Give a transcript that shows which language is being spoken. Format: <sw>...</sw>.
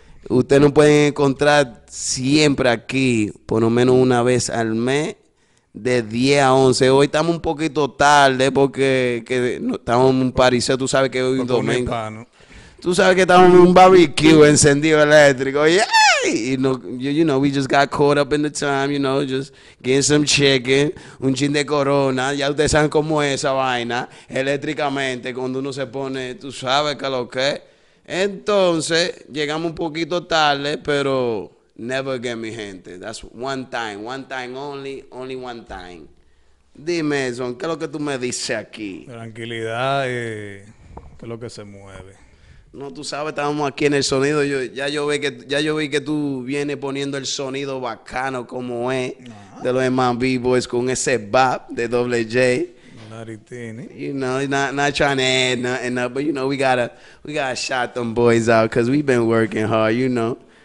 <es>Usted nos puede encontrar siempre aquí, por lo menos una vez al mes, de 10 a 11. Hoy estamos un poquito tarde porque que no, estamos en un pariseo. Tú sabes que hoy es domingo. Tú sabes que estamos en un barbecue encendido eléctrico. ¡Yay! Y no,</es> <en>you know, we just got caught up in the time, you know, just getting some chicken,</en> <es>un chin de corona. Ya ustedes saben cómo es esa vaina, eléctricamente, cuando uno se pone, tú sabes que lo que es. Entonces, llegamos un poquito tarde, pero</es> <en>never again,</en> <es>mi gente.</es> <en>That's one time only, only one time.</en> <es>Dime, Son, ¿qué es lo que tú me dices aquí? Tranquilidad, ¿qué es lo que se mueve? No, tú sabes, estábamos aquí en el sonido. Ya yo vi que tú vienes poniendo el sonido bacano como es, de los Man B-Boys con ese bop de Double J.</es> <en>You know, not trying to add nothing up, but you know, we gotta shout them boys out because we've been working hard, you know.</en>